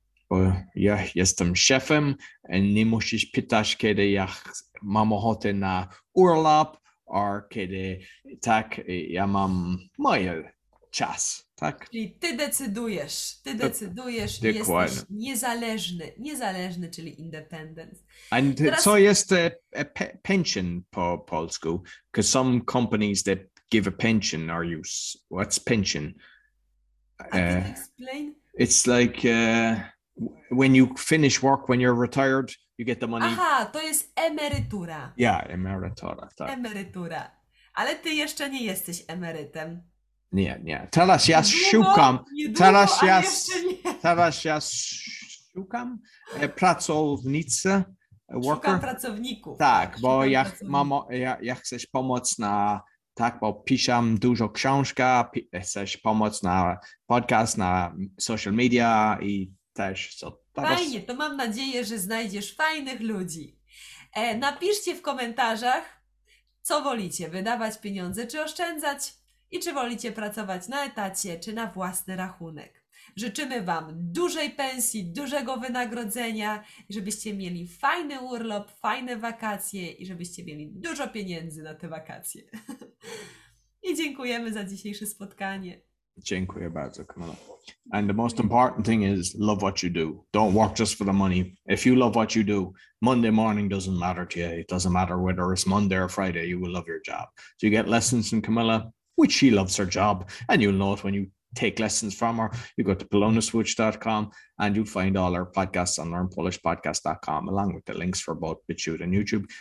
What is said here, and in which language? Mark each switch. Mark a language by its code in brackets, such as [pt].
[pl] Bo ja jestem szefem i nie musisz pytać, kiedy ja mam ochotę na urlop, [en] or [pl] kiedy tak ja mam moje czas. Tak. Czyli ty decydujesz i jesteś niezależny, czyli independent. [en] And [pl] teraz... co jest pension po polsku? [en] Because some companies that give a pension are use. What's pension? Explain. It's like when you finish work, when you're retired, you get the money. [pl] Aha, to jest emerytura. Yeah, emerytura. Tak. Emerytura. Ale ty jeszcze nie jesteś emerytem. Nie. Teraz ja szukam pracownicę, worker. Szukam pracowników. Tak, bo ja chcę pomóc na Tak, bo piszę dużo książka, chcesz pomóc na podcast, na social media i też co. Fajnie, to mam nadzieję, że znajdziesz fajnych ludzi. Napiszcie w komentarzach, co wolicie, wydawać pieniądze czy oszczędzać i czy wolicie pracować na etacie czy na własny rachunek. Życzymy Wam dużej pensji, dużego wynagrodzenia, żebyście mieli fajny urlop, fajne wakacje i żebyście mieli dużo pieniędzy na te wakacje. I dziękujemy za dzisiejsze spotkanie. Dziękuję bardzo, Kamila. [en] And the most important thing is love what you do. Don't work just for the money. If you love what you do, Monday morning doesn't matter to you. It doesn't matter whether it's Monday or Friday, you will love your job. So you get lessons from Kamila, which she loves her job, and you'll know it when you take lessons from her. You go to polonaswitch.com and you'll find all our podcasts on learnpolishpodcast.com, along with the links for both BitChute and YouTube.